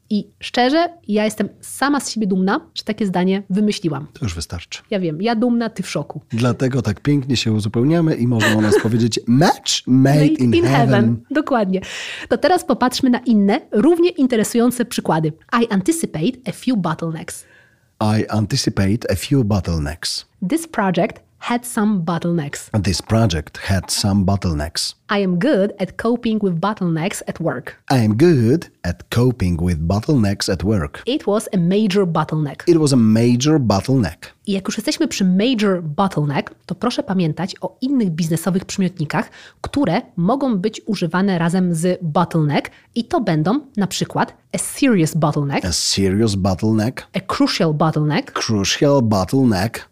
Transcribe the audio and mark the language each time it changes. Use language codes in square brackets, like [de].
[pl] I szczerze, ja jestem sama z siebie dumna, że takie zdanie wymyśliłam. To już wystarczy. Ja wiem, ja dumna, ty w szoku. Dlatego tak pięknie się uzupełniamy i można o nas powiedzieć [en] match made in heaven. [pl] Dokładnie. To teraz popatrzmy na inne, równie interesujące przykłady. [en] I anticipate a few bottlenecks. I anticipate a few bottlenecks. This project had some bottlenecks. This project had some bottlenecks. I am good at coping with bottlenecks at work. I am good at coping with bottlenecks at work. It was a major bottleneck. It was a major bottleneck. [pl] I jak już jesteśmy przy major bottleneck, to proszę pamiętać o innych biznesowych przymiotnikach, które mogą być używane razem z bottleneck i to będą na przykład a serious bottleneck. [en] A serious bottleneck. A crucial bottleneck. Crucial bottleneck.